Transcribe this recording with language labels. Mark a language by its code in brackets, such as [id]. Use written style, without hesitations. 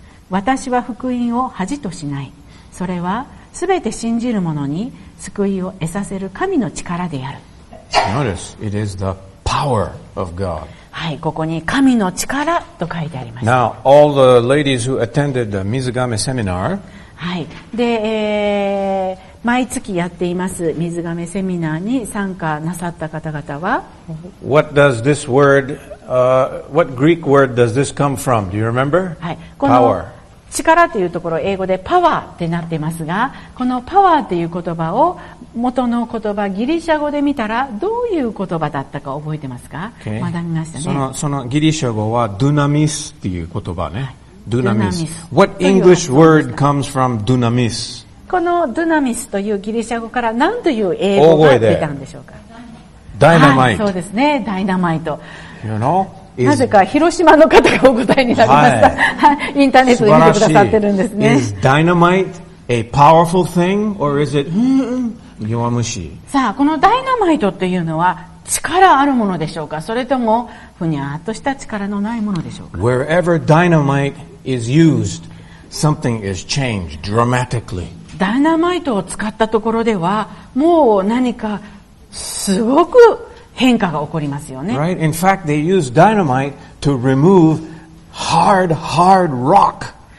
[ja] 私は福音を恥としない。それは、すべて信じる者に救いを得させる神の力である。 [en] Notice, it is the power of God. [ja] はい、ここに神の力と書いてあります。 [en] Now, all the ladies who attended the Mizugame seminar. [ja] はい、で、毎月やっています Mizugame セミナーに参加なさった方々は、 [en] What does this word, what Greek word does this come from? Do you remember? [ja] はい、この power. 力というところ英語でパワーってなってますが、このパワーという言葉を元の言葉ギリシャ語で見たらどういう言葉だったか覚えてますか？ [en] Okay. [ja] 学びましたね。そのギリシャ語はドゥナミスっていう言葉ね。ドゥナミス。 [en] What English word comes from ドゥナミス？ [ja] このドゥナミスというギリシャ語から何という英語が出たんでしょうか？ダイナマイト。そうですね、ダイナマイト。 [en] You know? [ja] なぜか広島の方がお答えになりました。はい、インターネットで見てくださってるんですね。 [en] Is dynamite a powerful thing or is it 弱虫？ [ja] さあ、このダイナマイトっていうのは力あるものでしょうか、それともふにゃっとした力のないものでしょうか。 [en] Wherever dynamite is used, something is changed dramatically. [ja] ダイナマイトを使ったところでは、もう何かすごく変化が起こりますよね。 [en] Right. In fact, they use dynamite to remove hard, hard rock.